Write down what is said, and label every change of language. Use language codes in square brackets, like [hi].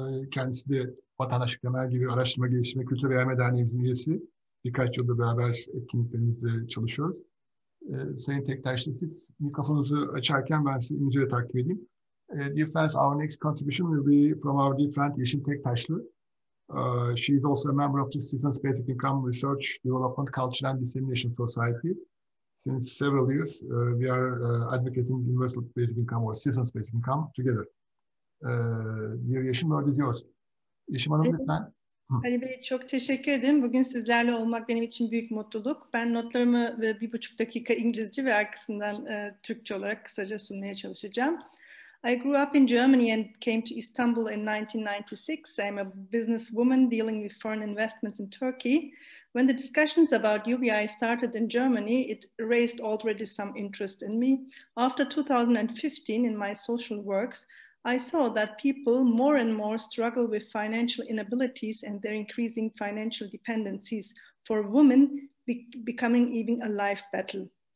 [tr] Kendisi de vatandaşlık temel gelir, araştırma, geliştirme, kültür ve yerme derneğimizin üyesi. Birkaç yıldır beraber etkinliklerimizde çalışıyoruz. Sayın Tektaş'ta siz mikrofonunuzu açarken ben sizi imzayla takip edeyim. [en] Dear friends, our next contribution will be from our dear friend Yeşim Tektaşlı. She is also a member of the Citizens Basic Income Research, Development, Culture and Dissemination Society. Since several years, we are advocating universal basic income or citizens basic income together. Dear Yeşim, the word is yours. [tr] Yeşim Hanım, lütfen. Ali Bey, çok teşekkür ederim. Bugün sizlerle olmak benim için büyük mutluluk. Ben notlarımı 1,5 dakika İngilizce ve arkasından Türkçe olarak kısaca sunmaya çalışacağım. [en] I grew up in Germany and came to Istanbul in 1996. I'm a businesswoman dealing with foreign investments in Turkey. When the discussions about UBI started in Germany, it raised already some interest in me. After 2015, in my social works, I saw that people more and more struggle with financial inabilities and their increasing financial dependencies for women becoming even a life battle.